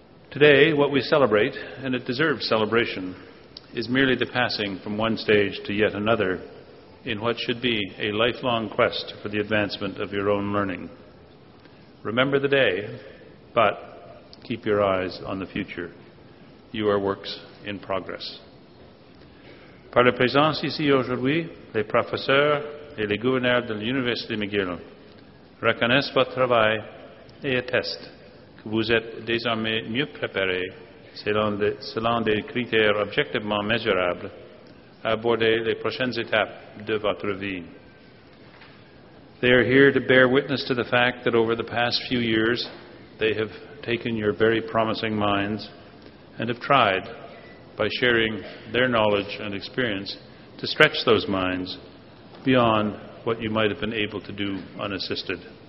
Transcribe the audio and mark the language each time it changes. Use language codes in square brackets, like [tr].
[en] Today, what we celebrate, and it deserves celebration, is merely the passing from one stage to yet another in what should be a lifelong quest for the advancement of your own learning. Remember the day, but keep your eyes on the future. You are works in progress. [fr] Par la présence ici aujourd'hui, les professeurs et les gouverneurs de l'Université McGill reconnaissent votre travail et attestent que vous êtes désormais mieux préparés selon des critères objectivement mesurables à aborder les prochaines étapes de votre vie. [en] They are here to bear witness to the fact that over the past few years, they have taken your very promising minds and have tried, by sharing their knowledge and experience, to stretch those minds beyond what you might have been able to do unassisted.